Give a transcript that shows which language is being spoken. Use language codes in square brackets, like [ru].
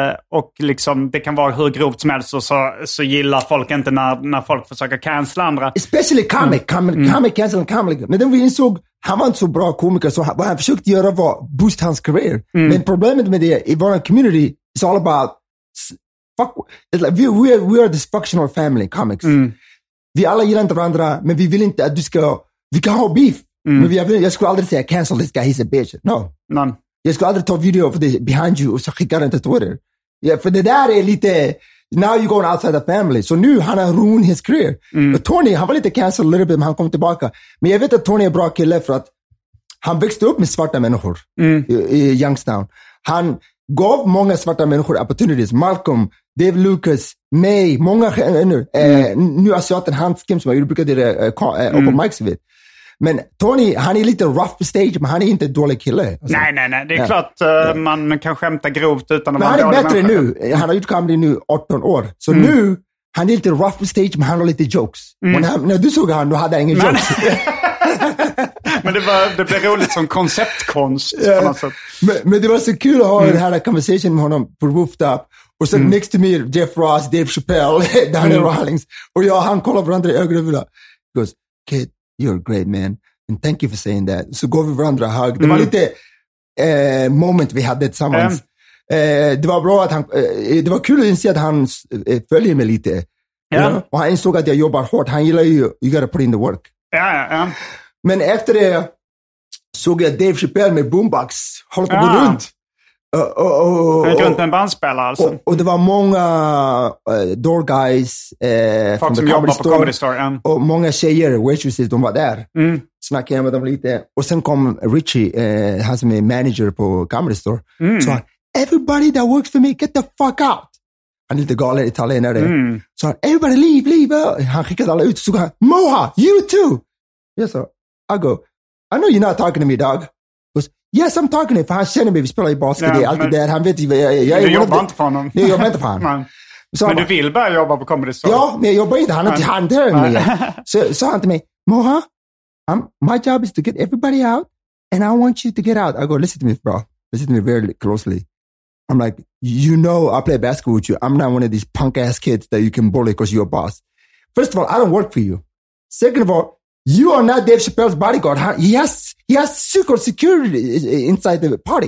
[sv] Och liksom, det kan vara hur grovt som helst. Och så gillar folk inte när folk försöker cancela andra. [en] Especially comic. Comic cancel and comic. [sv] Men då vi insåg, han var inte så bra komiker. Så vad han försökte göra var boost hans karriär. Mm. Men problemet med det i vår community... [en] it's all about fuck. It's like we are dysfunctional family comics. [sv] Vi alla gillar inte varandra, men vi vill inte att du ska. Vi kan ha beef. Men jag skulle aldrig säga [en] cancel this guy. He's a bitch. No. None. [sv] Jag skulle aldrig ta video för det [en] behind you [sv] och så skicka den till Twitter. Yeah, för det där är lite. [en] Now you're going outside the family. [sv] So nu han har [en] ruined his career. [sv] Mm. Tony, han var lite cancel [en] a little bit, [sv] men han kom tillbaka. Men jag vet att Tony är bra kille för att han växte upp med svarta människor i Youngstown. Han gav många svarta människor opportunities. Malcolm, Dave Lucas, May, många nu asiaten Hans Kim som jag brukade på mics vid. Men Tony, han är lite rough på stage, men han är inte dålig kille. Alltså. Nej. Det är klart man kan skämta grovt utan att men han är bättre nu. Han har gjort comedy nu 18 år. Så nu, han är lite rough på stage, men han har lite jokes. När du såg han, då hade han inga jokes. Men det blev roligt som konceptkonst på något sätt. Men det var så kul att ha den här conversation med honom på rooftop. Och sen next to me, Jeff Ross, Dave Chappelle, Daniel Rawlings. Och jag och han kollade varandra i ögonen. [en] Han goes, kid, you're great, man. And thank you for saying that. [sv] Så går vi varandra hug. Det var lite moment vi hade tillsammans. Det var bra att han, det var kul att inse att han följer mig lite. [en] Ja. You know? [sv] Och han insåg att jag jobbar hårt. Han gillar ju, [en] you gotta put in the work. [sv] Ja. Men efter det såg jag Dave Chappelle med boombox hålla på runt. Han gick runt med en bandspelare alltså. Och det var många door guys. Folk som jobbade på Comedy Store. Yeah. Och många tjejer, waitresses, de var där. Mm. Snackade med dem lite. Och sen kom Richie, han som är manager på Comedy Store. Mm. Så han, [en] everybody that works for me, get the fuck out. [sv] Han är lite galen italienare. Mm. Så han, [en] everybody leave, leave. [sv] Han skickade alla ut och såg han, Moha, [en] you too. [sv] Jag sa, [en] I go, I know you're not talking to me, dog. Yes, I'm talking to you. [sv] För han känner mig. Vi spelar i basket. Det är alltid där. Han vet ju. Jag du jobbar inte för honom. Jag jobbar inte för honom. Men han, du vill börja jobba på Comedy Store. Ja, men jag jobbar inte. Han är inte handlare än mig. Så sa han till mig. [en] Moha, my job is to get everybody out. And I want you to get out. I go, listen to me, bro. Listen to me very closely. I'm like, you know I play basketball with you. I'm not one of these punk ass kids that you can bully because you're a boss. First of all, I don't work for you. Second of all, you are not Dave Chappelle's bodyguard. He has secret security inside the party.